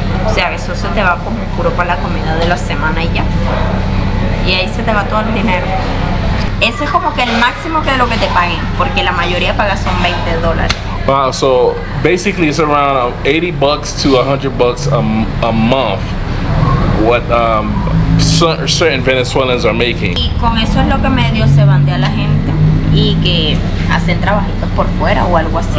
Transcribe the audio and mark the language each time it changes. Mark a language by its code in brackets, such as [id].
[es] O sea, eso se te va como puro para la comida de la semana y ya. Y ahí se te va todo el dinero. Ese es como que el máximo que lo que te paguen, porque la mayoría paga son 20 dólares. [en] Wow, so basically it's around 80 bucks to 100 bucks a month, what certain Venezuelans are making. [es] Y con eso es lo que medio se bandea la gente y que hacen trabajitos por fuera o algo así.